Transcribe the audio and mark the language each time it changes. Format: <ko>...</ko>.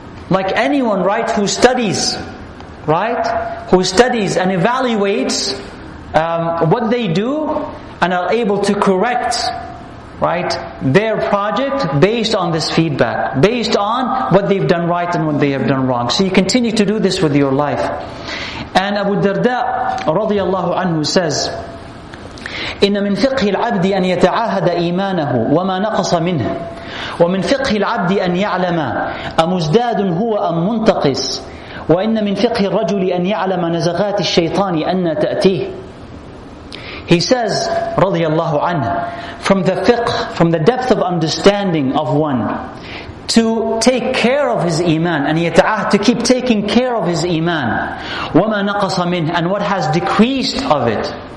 <en>Like anyone, right, who studies, right? Who studies and evaluates what they do and are able to correct, right, their project based on this feedback, based on what they've done right and what they have done wrong. So you continue to do this with your life. And Abu Darda, radiallahu anhu, says,</en> <ar>إن من فقه العبد أن يتعاهد إيمانه وما نقص منه ومن فقه العبد أن يعلم أمزداد هو أم منتقص وإن من فقه الرجل أن يعلم نزغات الشيطان أن تأتيه.</ar> <en>He says,</en> <ar>رضي الله عنه,</ar> <en>from the fiqh, from the depth of understanding of one, to take care of his iman, and يتعاهد, to keep taking care of his iman,</en> <ar>وما نقص منه,</ar> <en>and what has decreased of it.</en>